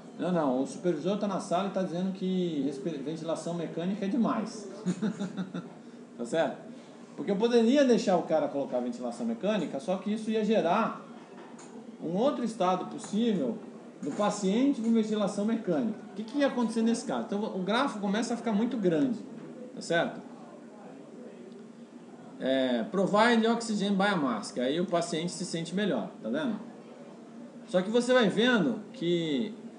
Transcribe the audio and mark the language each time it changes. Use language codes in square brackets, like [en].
[pt] Não, o supervisor está na sala e está dizendo que ventilação mecânica é demais. Tá certo? Porque eu poderia deixar o cara colocar ventilação mecânica, só que isso ia gerar um outro estado possível do paciente com ventilação mecânica. O que, que ia acontecer nesse caso? Então o grafo começa a ficar muito grande. Tá certo? [en] É, provide oxygen by a mask. [pt] Aí o paciente se sente melhor. Tá vendo? Só que você vai vendo que...